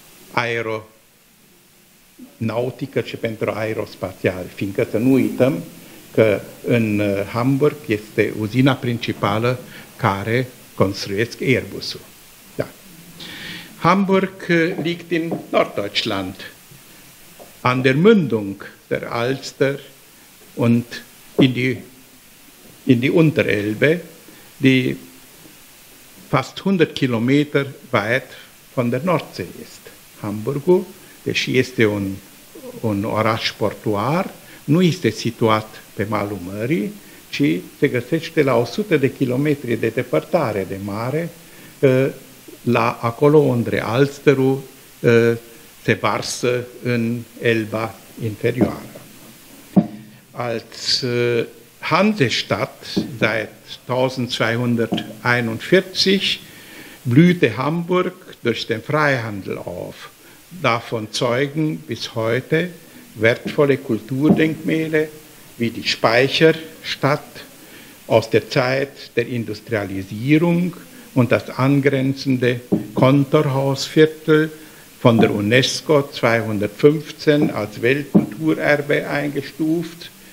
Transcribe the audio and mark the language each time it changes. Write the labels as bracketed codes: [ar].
[ro] aeronautică și pentru aerospațial, fiindcă să nu uităm că în Hamburg este uzina principală care construiesc Airbus-ul. Da. [de] Hamburg liegt in Norddeutschland, an der Mündung der Alster und in die in die Unterelbe, die fast 100 Kilometer weit von der Nordsee ist. [ro] Hamburgo, deși este un oraș portuar, nu este situat pe malul mării, ci se găsește la 100 de kilometri de depărtare de mare, la acolo unde Alsterul se varsă în Elba inferioară. [de] Als Hansestadt seit 1241 blühte Hamburg durch den Freihandel auf. Davon zeugen bis heute wertvolle Kulturdenkmäle wie die Speicherstadt aus der Zeit der Industrialisierung und das angrenzende Kontorhausviertel von der UNESCO 215 als Weltkulturerbe eingestuft.